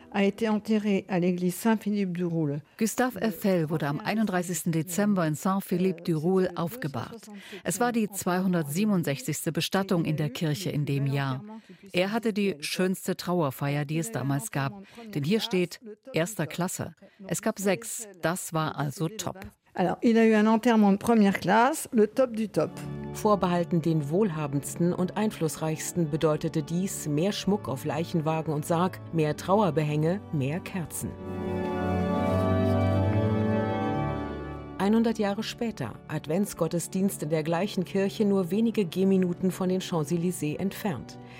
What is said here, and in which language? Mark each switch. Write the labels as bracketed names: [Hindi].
[German] Gustav Eiffel wurde am 31. Dezember in Saint-Philippe-du-Roule aufgebahrt. Es war die 267. Bestattung in der Kirche in dem Jahr. Er hatte die schönste Trauerfeier, die es damals gab. Denn hier steht, erster Klasse. Es gab 6, das war also top. [French] Il a eu un enterrement de première classe, le top du top. [German] Vorbehalten den wohlhabendsten und einflussreichsten bedeutete dies mehr Schmuck auf Leichenwagen und Sarg, mehr Trauerbehänge, mehr Kerzen. 100 Jahre später, Adventsgottesdienst in der gleichen Kirche nur wenige Gehminuten von den Champs-Élysées entfernt.